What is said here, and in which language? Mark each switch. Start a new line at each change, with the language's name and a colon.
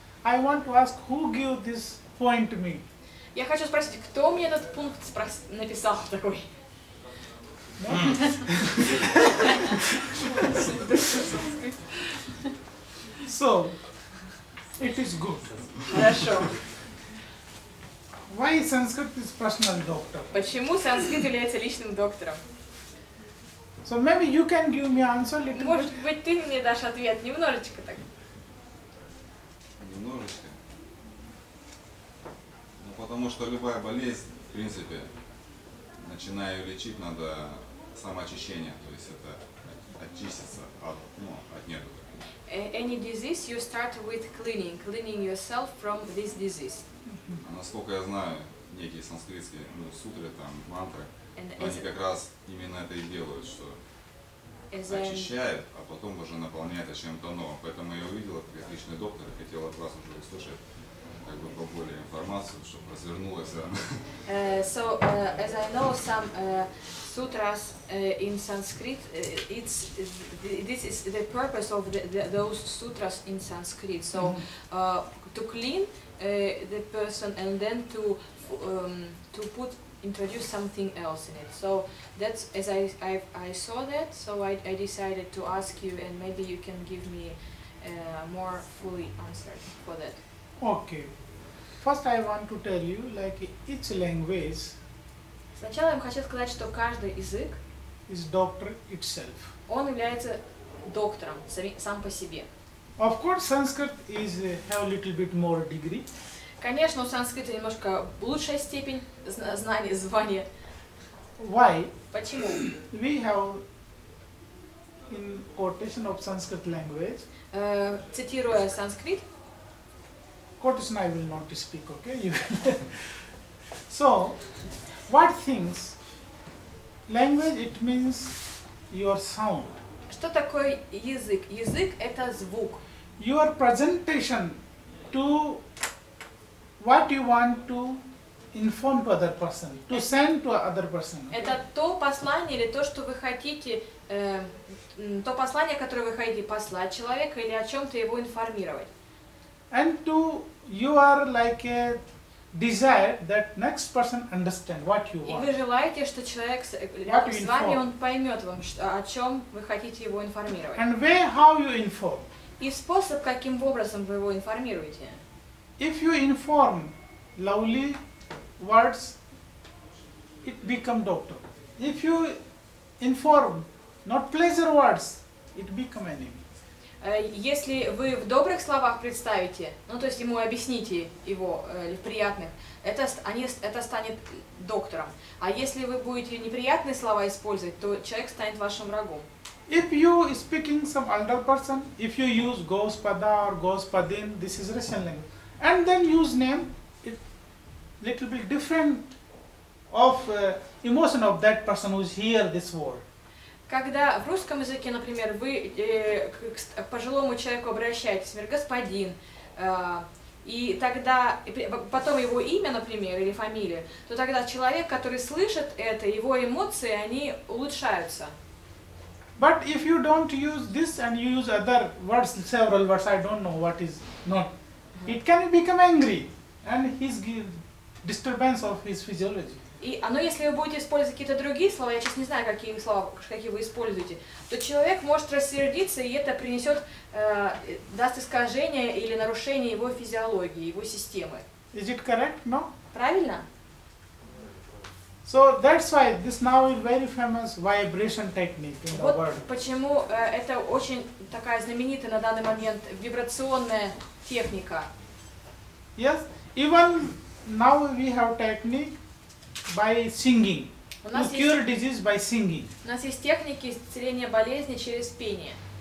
English: I want to ask who gave this point to me.
Russian: Я хочу спросить, кто мне этот пункт написал такой?
English: So, it is good.
Russian: Хорошо.
English: Why Sanskrit is personal doctor?
Russian: Почему санскрит является личным доктором?
English: So maybe you can give me answer little bit.
Russian: Может быть ты мне дашь ответ немножечко так. Немножечко. Ну потому что любая болезнь, в принципе, начиная ее лечить, надо самоочищение, то есть это очиститься от, ну, от нервов.
English: Any disease you start with cleaning yourself from this disease.
Russian: Насколько я знаю, некие санскритские сутры, там мантры, они как раз именно это и делают, что очищают, а потом уже наполняют чем-то новым. Поэтому я увидела как отличный доктор и хотел от вас уже услышать.
English: So as I know some sutras in Sanskrit, this is the purpose of those sutras in Sanskrit. So to clean the person and then to put introduce something else in it. So that's as I saw that. So I decided to ask you, and maybe you can give me more fully answer for that. Okay. First I want to tell you, like, each language.
Russian: Сначала я вам хочу сказать, что каждый язык
English: is doctor itself.
Russian: Он является доктором сам по себе.
English: Of course, Sanskrit is have a little bit more degree.
Russian: Конечно, у санскрита немножко лучшая степень знания, звания.
English: Why?
Russian: Почему?
English: We have in quotation of Sanskrit language.
Russian: Цитируя санскрит.
English: Quotation I will not speak, okay? So, what things? Language, it means your sound.
Russian: Что такое язык? Язык – это звук.
English: Your presentation to what you want to inform to other person, to send to other person. Okay?
Russian: Это то послание или то, что вы хотите, то послание, которое вы хотите послать человеку или о чем-то его информировать.
English: And to you are like a desire that next person understand what you want.
Russian: И вы желаете, что человек с вами он поймет вам, что, о чем вы хотите его информировать.
English: And way how you inform.
Russian: И способ, каким образом вы его информируете.
English: If you inform lovely words, it become doctor. If you inform not pleasure words, it become enemy.
Russian: Если вы в добрых словах представите, ну то есть ему объясните его приятных, это станет доктором. А если вы будете неприятные слова использовать, то человек станет вашим врагом.
English: If you speaking some older person, if you use господа or господин, this is Russian language, and then use name, it little bit different of emotion of that person who is here this word.
Russian: Когда в русском языке, например, вы к пожилому человеку обращаетесь, например, господин, потом его имя, например, или фамилия, то тогда человек, который слышит это, его эмоции, они улучшаются.
English: But if you don't use this and you use other words, several words, I don't know what is not, it can become angry and his disturbance of his physiology.
Russian: Но если вы будете использовать какие-то другие слова, я сейчас не знаю, какие слова, какие вы используете, то человек может рассердиться, и это принесет, даст искажение или нарушение его физиологии, его системы.
English: Is it correct? No?
Russian: Правильно?
English: So that's why this now is very famous vibration technique in the world.
Russian: Вот почему это очень такая знаменитая на данный момент вибрационная техника.
English: Yes, even now we have technique by singing. To cure disease by singing.
Russian: У нас есть техники исцеления болезни через пение.